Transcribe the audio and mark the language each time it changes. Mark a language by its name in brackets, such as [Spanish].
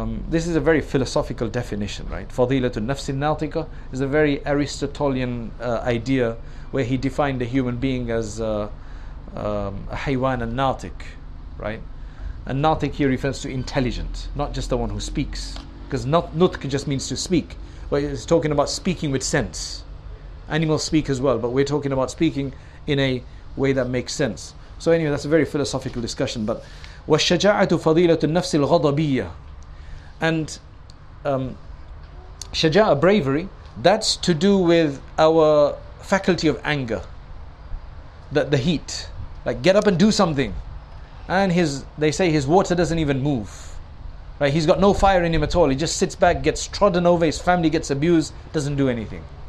[English] This is a very philosophical definition, right? [Arabic] فَضِيلَةُ النَّفْسِ النَّاطِقَ [English] is a very Aristotelian idea where he defined a human being as a haywan and natik, right? And natik here refers to intelligent, not just the one who speaks. Because nutk just means to speak. But it's talking about speaking with sense. Animals speak as well, but we're talking about speaking in a way that makes sense. So anyway, that's a very philosophical discussion. [Arabic] But وَالشَّجَاعَةُ فَضِيلَةُ النَّفْسِ الْغَضَبِيَّةِ. [English] And shaja'a, bravery, that's to do with our faculty of anger. The heat. Like, get up and do something. And they say his water doesn't even move. Right, he's got no fire in him at all. He just sits back, gets trodden over, his family gets abused, doesn't do anything.